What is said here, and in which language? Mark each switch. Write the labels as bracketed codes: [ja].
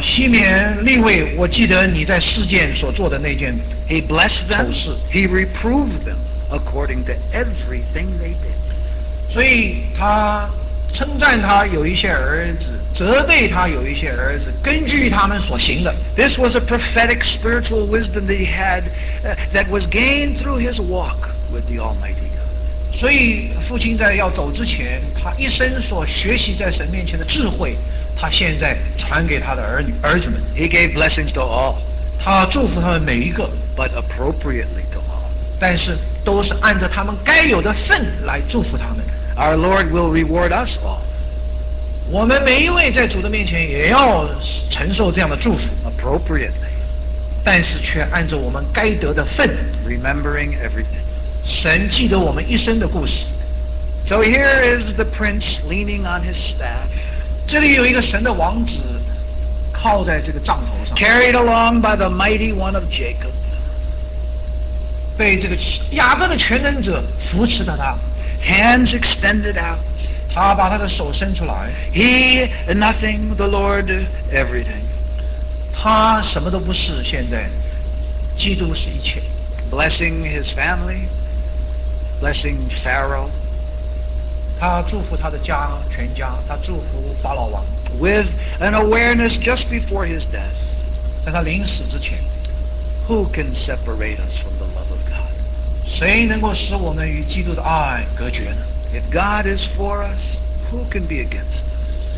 [zh] 西缅利未，我记得你在事件所做的那件。 [en] He blessed them. He reproved them. According to everything they did. [zh] 所以他称赞他有一些儿子，责备他有一些儿子，根据他们所行的。 [en] This was a prophetic spiritual wisdom that he had, that was gained through his walk with the Almighty God. [zh] 所以父亲在要走之前，他一生所学习在神面前的智慧，他现在传给他的儿子们。 [en] He gave blessings to all. [zh] 他祝福他们每一个。 [en] But appropriately to all. [zh] 但是都是按照他们该有的份来祝福他们。 [en] Our Lord will reward us all. [zh] 我们每一位在主的面前也要承受这样的祝福 [en] ，appropriately， [zh] 但是却按照我们该得的份 [en] ，remembering everything. [zh] 神记得我们一生的故事。 [en] So here is the prince leaning on his staff. [zh] 这里有一个神的王子靠在这个杖头上 [en] ，carried along by the mighty one of Jacob. [zh] 被这个雅各的全能者扶持着他 [en] ，hands extended out， [zh] 他把他的手伸出来 [en] ，he nothing the Lord everything， [zh] 他什么都不是现在，基督是一切 [en] ，blessing his family， blessing Pharaoh， [zh] 他祝福他的家全家，他祝福法老王 [en] ，with an awareness just before his death， [zh] 在他临死之前。 [en] Who can separate us from the love of God? [zh] 谁能够使我们与基督的爱隔绝呢？ [en] If God is for us, who can be against us?